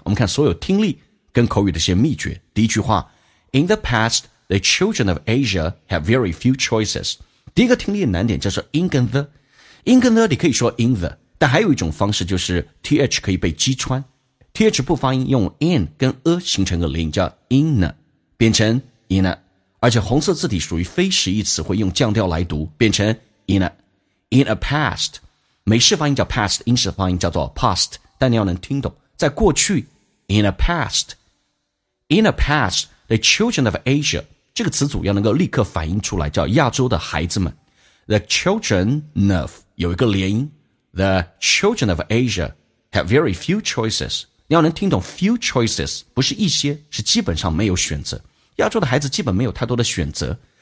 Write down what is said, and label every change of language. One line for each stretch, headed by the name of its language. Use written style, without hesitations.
Chinese: 我们看所有听力跟口语的一些秘诀。第一句话
English: In the past, the children of Asia have very few choices.
Chinese: 第一个听力的难点就是 in 跟 the. In 跟 the 你可以说
English: in the,
Chinese: 但还有一种方式就是 th 可以被击穿。 TH 不发音，用 in 跟 a 形成个连音，叫 in， 变成 in。而且红色字体属于非实义词汇，用降调来读，变成 in。
English: In a past，
Chinese: 美式发音叫 past， 英式发音叫做 past， 但你要能听懂，在过去
English: in a past。 In a past， the children of Asia
Chinese: 这个词组要能够立刻反应出来，叫亚洲的孩子们。
English: The children of
Chinese: 有一个连音 ，
English: the children of Asia have very few choices。
Chinese: 你要能听懂
English: few choices，
Chinese: 不是一些，是基本上没有选择。亚洲的孩子基本没有太多的选择。